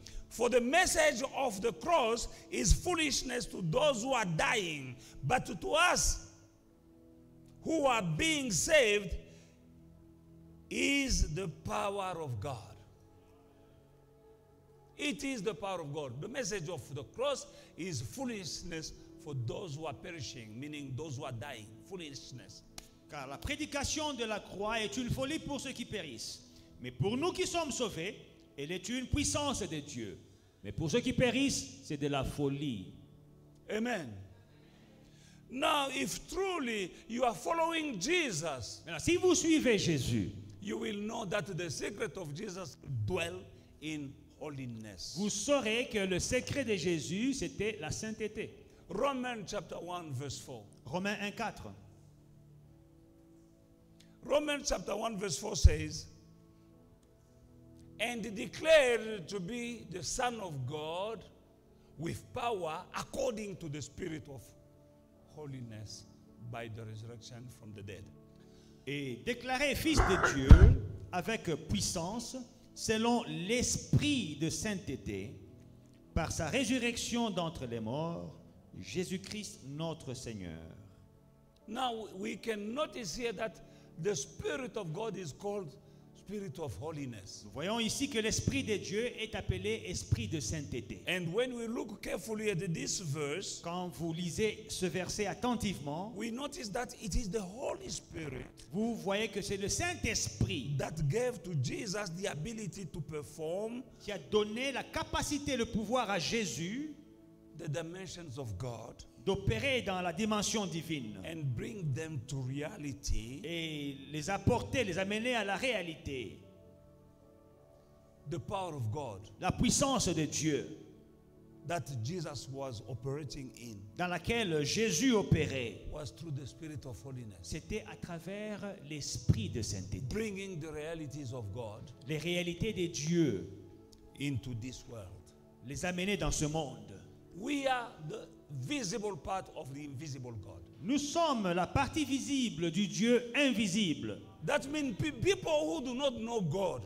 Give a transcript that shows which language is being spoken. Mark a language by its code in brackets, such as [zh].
[en] For the message of the cross is foolishness to those who are dying, but to us who are being saved is the power of God. It is the power of God. The message of the cross is foolishness for those who are perishing, meaning those who are dying. Foolishness. [fr] Car la prédication de la croix est une folie pour ceux qui périssent. Mais pour nous qui sommes sauvés, elle est une puissance de Dieu. Mais pour ceux qui périssent, c'est de la folie. [en] Amen. Now, if truly you are following Jesus, [fr] maintenant, si vous suivez Jésus, [en] you will know that the secret of Jesus dwell in holiness. [fr] Vous saurez que le secret de Jésus, c'était la sainteté. [en] Romans chapter 1, verse 4. [fr] Romains 1, 4. [en] Romans chapter 1, verse 4 says, and declared to be the Son of God with power according to the Spirit of holiness by the resurrection from the dead. [fr] Et déclaré fils de Dieu avec puissance selon l'esprit de sainteté par sa résurrection d'entre les morts, Jésus-Christ notre Seigneur. [en] Now we can notice here that the Spirit of God is called Spirit of holiness. [fr] Nous voyons ici que l'Esprit de Dieu est appelé Esprit de sainteté. [en] And when we look carefully at this verse, [fr] quand vous lisez ce verset attentivement, [en] we notice that it is the Holy Spirit, [fr] vous voyez que c'est le Saint-Esprit, [en] that gave to Jesus the ability to perform, [fr] qui a donné la capacité, le pouvoir à Jésus, [en] the dimensions of God, [fr] d'opérer dans la dimension divine, [en] and bring them to reality, [fr] et les apporter, les amener à la réalité. [en] The power of God, [fr] la puissance de Dieu, [en] that Jesus was operating in, [fr] dans laquelle Jésus opérait, [en] was through the Spirit of holiness, [fr] c'était à travers l'Esprit de sainteté, [en] bringing the realities of God, [fr] les réalités de Dieu, [en] into this world, [fr] les amener dans ce monde. [en] We are the visible part of the invisible God. [fr] Nous sommes la partie visible du Dieu invisible. [en] That means people who do not know God.